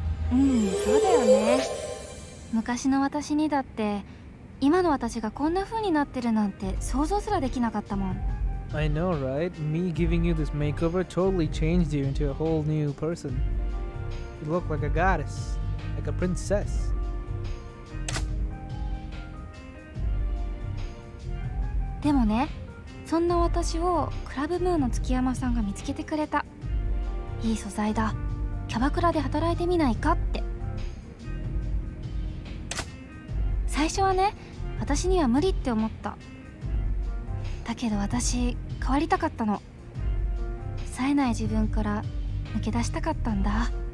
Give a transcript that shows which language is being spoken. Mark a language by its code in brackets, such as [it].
[ja] うん、そうだよね。昔の私にだって今の私がこんな風になってるなんて想像すらできなかったもん。 [en] I know, right? Me giving you this makeover totally changed you into a whole new person. You look like a goddess, like a princess. [ja] でもね、そんな私をクラブムーの月山さんが見つけてくれた。いい素材だ。キャバクラで働いてみないかって。最初はね、私には無理って思った。だけど私変わりたかったの。冴えない自分から抜け出したかったんだ。